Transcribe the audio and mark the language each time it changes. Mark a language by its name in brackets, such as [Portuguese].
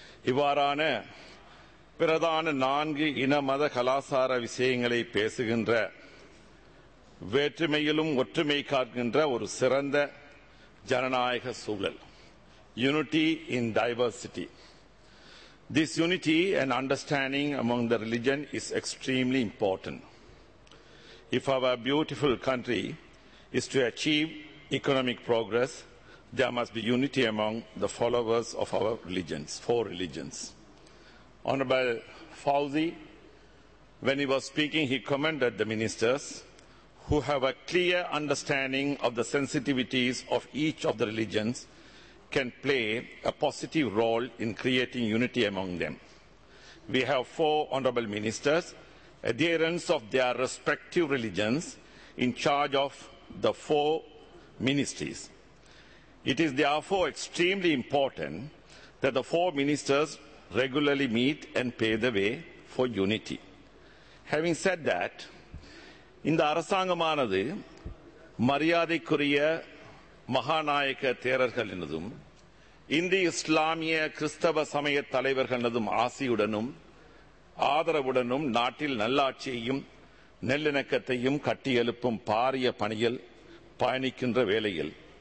[Tamil] இவ்வாறான பிரதான நான்கு இன மத கலாச்சார விஷயங்களை பேசுகின்ற வேற்றுமையிலும் ஒற்றுமை காக்கின்ற ஒரு சிறந்த ஜனநாயக சூழல் [English] Unity in diversity. This unity and understanding among the religion is extremely important. If our beautiful country is to achieve economic progress, there must be unity among the followers of our religions, four religions. Honorable Fauzi, when he was speaking, he commended the ministers who have a clear understanding of the sensitivities of each of the religions can play a positive role in creating unity among them. We have four honorable ministers, adherents of their respective religions, in charge of the four ministries. It is therefore extremely important that the four ministers regularly meet and pave the way for unity. Having said that, in the [Tamil] Arasangamanadu, Mariyadikuriya Mahanayaka Therarkalinadum, Hindi இஸ்லாமிய கிறிஸ்தவ சமய தலைவர்களதும் ஆசியுடனும் ஆதரவுடனும் நாட்டில் நல்லாட்சியையும் நல்லிணக்கத்தையும் கட்டியெழுப்பும் பாரிய பணியில் பயணிக்கின்ற வேளையில்